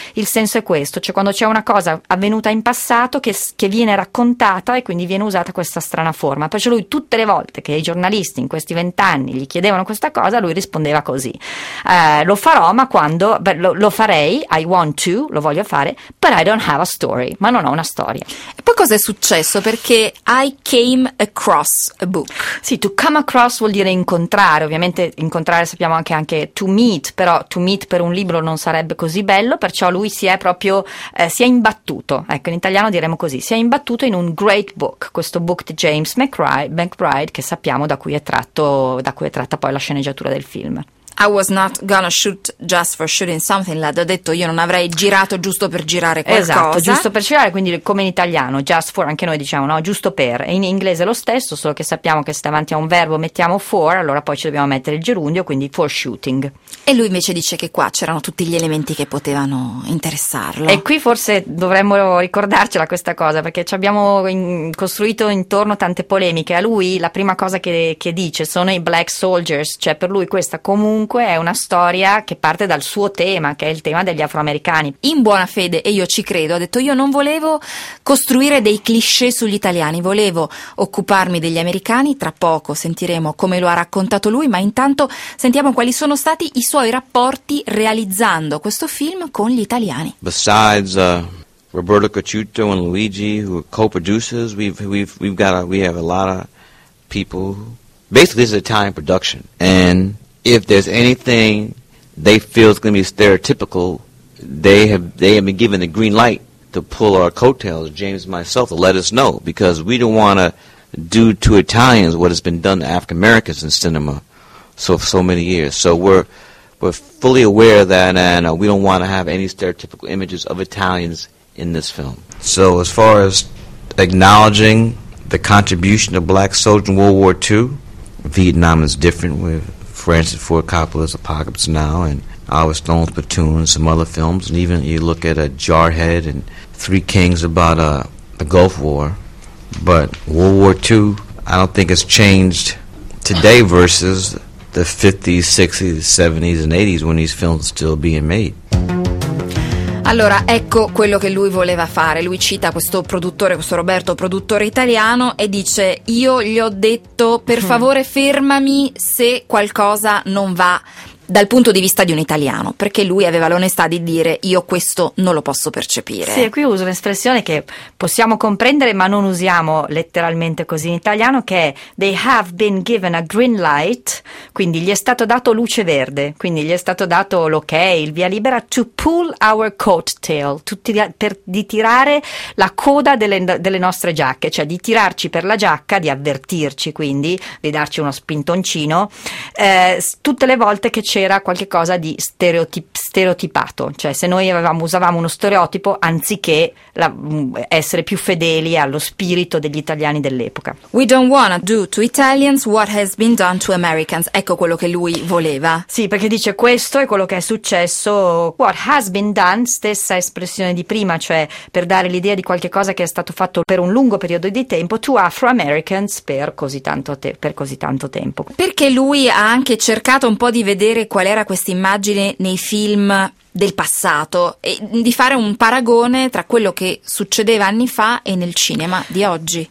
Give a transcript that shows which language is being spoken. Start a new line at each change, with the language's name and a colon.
Italian: il senso è questo, cioè quando c'è una cosa avvenuta in passato che viene raccontata e quindi viene usata questa strana forma, perciò lui tutte le volte che i giornalisti in questi 20 anni gli chiedevano questa cosa, lui rispondeva così, lo farò, ma quando lo farei,
English: I want to,
Italian: lo voglio fare,
English: but I don't have a story,
Italian: ma non ho una storia. E poi cosa è successo?
English: Perché I came across a book.
Italian: Sì, to come across vuol dire incontrare, ovviamente incontrare sappiamo anche to meet, però to meet per un libro non sarebbe così bello, perciò lui si è proprio si è imbattuto, ecco, in italiano diremmo così, si è imbattuto in un great book, questo book di James McBride, che sappiamo da cui è tratta poi la sceneggiatura del film.
English: I was not gonna shoot just for shooting something, lad.
Italian: Ho detto io non avrei girato giusto per girare qualcosa. Esatto, giusto per girare, quindi come in italiano, just for, anche noi diciamo, no, giusto per. In inglese è lo stesso, solo che sappiamo che se davanti a un verbo mettiamo for, allora poi ci dobbiamo mettere il gerundio, quindi for shooting. E lui invece dice che qua c'erano tutti gli elementi che potevano interessarlo. E qui forse dovremmo ricordarcela questa cosa, perché ci abbiamo costruito intorno tante polemiche. A lui la prima cosa che dice sono i black soldiers, cioè per lui questa comunque è una storia che parte dal suo tema, che è il tema degli afroamericani. In buona fede, e io ci credo, ha detto io non volevo costruire dei cliché sugli italiani, volevo occuparmi degli americani. Tra poco sentiremo come lo ha raccontato lui, ma intanto sentiamo quali sono stati i suoi rapporti realizzando questo film con gli italiani.
English: Besides Roberto Cacciuto and Luigi, who are co-producers, we have a lot of people. Basically, this is a Italian production, and if there's anything they feel is going to be stereotypical, they have been given the green light to pull our coattails, James and myself, to let us know, because we don't want to do to Italians what has been done to African Americans in cinema so many years. So we're fully aware of that, and we don't want to have any stereotypical images of Italians in this film. So as far as acknowledging the contribution of black soldiers in World War II, Vietnam is different with Francis Ford Coppola's Apocalypse Now and Oliver Stone's Platoon and some other films, and even you look at Jarhead and Three Kings about the Gulf War. But World War II, I don't think it's changed today versus the 50s, 60s, 70s and 80s when these films are still being made.
Italian: Allora, ecco quello che lui voleva fare. Lui cita questo produttore, questo Roberto, produttore italiano, e dice: io gli ho detto, per favore fermami se qualcosa non va dal punto di vista di un italiano, perché lui aveva l'onestà di dire io questo non lo posso percepire. Sì, e qui uso un'espressione che possiamo comprendere ma non usiamo letteralmente così in italiano, che è
English: they have been given a green light,
Italian: quindi gli è stato dato luce verde, quindi gli è stato dato l'ok, il via libera
English: to pull our coattail,
Italian: di tirare la coda delle nostre giacche, cioè di tirarci per la giacca, di avvertirci, quindi di darci uno spintoncino tutte le volte che c'era qualche cosa di stereotipato, cioè se noi usavamo uno stereotipo anziché essere più fedeli allo spirito degli italiani dell'epoca.
English: We don't wanna do to Italians what has been done to Americans.
Italian: Ecco quello che lui voleva. Sì, perché dice questo è quello che è successo,
English: what has been done,
Italian: stessa espressione di prima, cioè per dare l'idea di qualche cosa che è stato fatto per un lungo periodo di tempo
English: to Afro-Americans
Italian: per così tanto tempo. Perché lui ha anche cercato un po' di vedere qual era questa immagine nei film del passato e di fare un paragone tra quello che succedeva anni fa e nel cinema di oggi.